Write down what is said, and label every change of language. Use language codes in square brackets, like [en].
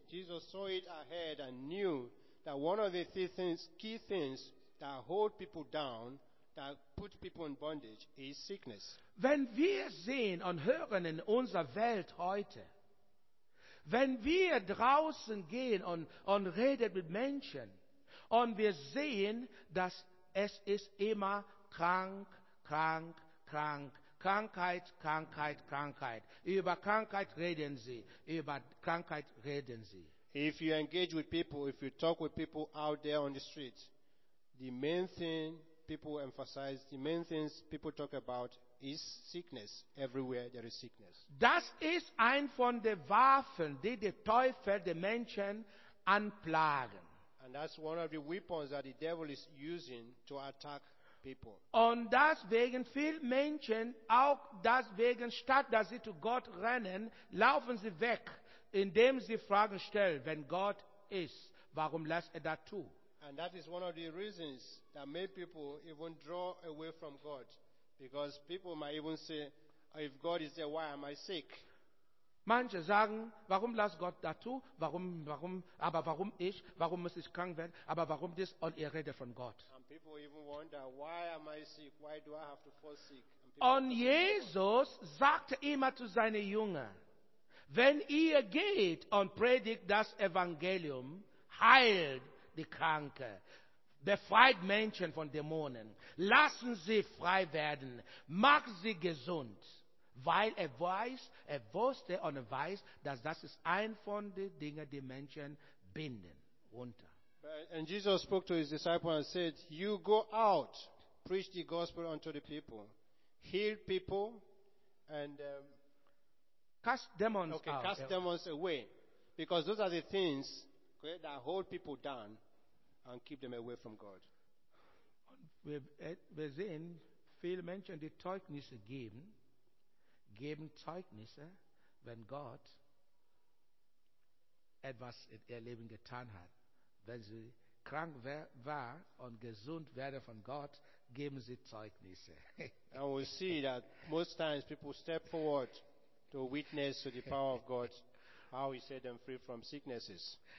[en] Jesus saw it ahead and knew that one of the key things that hold people down, that put people in bondage, is sickness. [de] Wenn wir sehen und hören in unserer Welt heute, wenn wir draußen gehen und reden mit Menschen und wir sehen, dass es ist immer krank, krank, krank, Krankheit, Krankheit, Krankheit. Über Krankheit reden sie, über Krankheit reden sie. [en] If you engage with people, if you talk with people out there on the street, the main thing people emphasize, the main things people talk about is sickness. Everywhere there is sickness. [de] Das ist ein von den Waffen, die der Teufel den Menschen anplagen. [en] And that's one of the weapons that the devil is using to attack people. [de] Und deswegen viele Menschen, auch deswegen, statt dass sie zu Gott rennen, laufen sie weg, indem sie Fragen stellen, wenn Gott ist, warum lässt er das zu? [en] And that is one of the reasons that many people even draw away from God. Because people might even say, if God is there, why am I sick? [de] Manche sagen, warum lässt Gott dazu? Warum, aber warum ich? Warum muss ich krank werden? Aber warum das? Und ihr redet von Gott. [en] And people even wonder, why am I sick? Why do I have to fall sick? [de] Und Jesus sagte immer zu seinen Jüngern, wenn ihr geht und predigt das Evangelium, heilt die Kranke. Befreit Menschen von Dämonen. Lassen sie frei werden. Macht sie gesund. Weil er wusste und er weiß, dass das ist ein von den Dingen, die Menschen binden. Runter. [en] And Jesus spoke to his disciples and said, you go out, preach the gospel unto the people. Heal people and cast demons away. Because those are the things that hold people down and keep them away from God. [de] Wir sehen viele Menschen, die Zeugnisse geben Zeugnisse, wenn Gott etwas in ihr Leben getan hat. Wenn sie krank war und gesund werden von Gott, geben sie Zeugnisse. [en] And we see that most times people step forward to witness to the power of God, how he set them free from sicknesses.